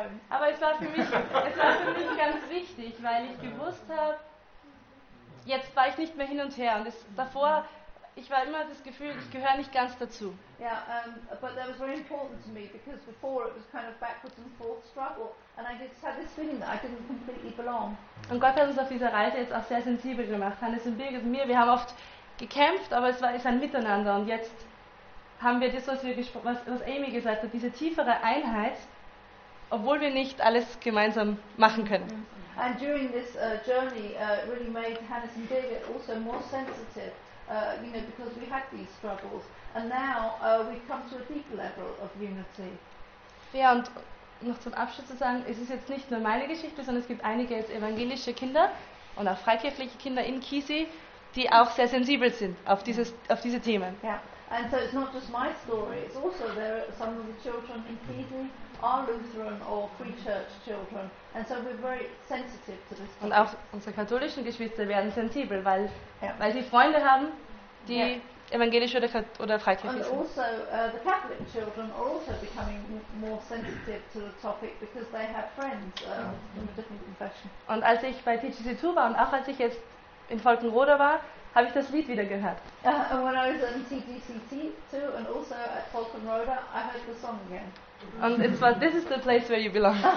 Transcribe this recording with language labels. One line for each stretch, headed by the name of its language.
German: Aber es war für mich ganz wichtig, weil ich gewusst habe, jetzt war ich nicht mehr hin und her und es, davor, ich war immer das Gefühl, ich gehöre nicht ganz dazu.
English: Yeah, but that was very important to me because before it was kind of backwards and forth struggle and I just had this feeling that I didn't completely belong.
German: Und Gott hat uns auf dieser Reise jetzt auch sehr sensibel gemacht. Hannes und Birgit und mir, wir haben oft gekämpft, aber es war ein Miteinander und jetzt haben wir das, was Amy gesagt hat, diese tiefere Einheit, obwohl wir nicht alles gemeinsam machen können.
English: And during this journey, really made Hannes and Birgit also more sensitive, you know, because we had these struggles, and now we've come to a deeper level of unity.
German: Ja, und noch zum Abschluss zu sagen, es ist jetzt nicht nur meine Geschichte, sondern es gibt einige jetzt evangelische Kinder und auch freikirchliche Kinder in Kisi, die auch sehr sensibel sind auf diese Themen.
English: Yeah. And so it's not just my story, it's also there are some of the children in Fiji are Lutheran or Free Church children, and so we're very sensitive to this.
German: Und auch unsere katholischen Geschwister werden sensibel, weil, yeah. weil sie Freunde haben, die yeah. evangelisch oder freikirchlich sind.
English: And also the Catholic children are also becoming more sensitive to the topic because they have friends from a different confession.
German: Und als ich bei TGC2 war und auch als ich jetzt in Falkenroda war, habe ich das Lied wieder gehört.
English: And when I was in TGCT too, and also at Falkenroda, I heard the song again. And it's like, this is the place where you belong.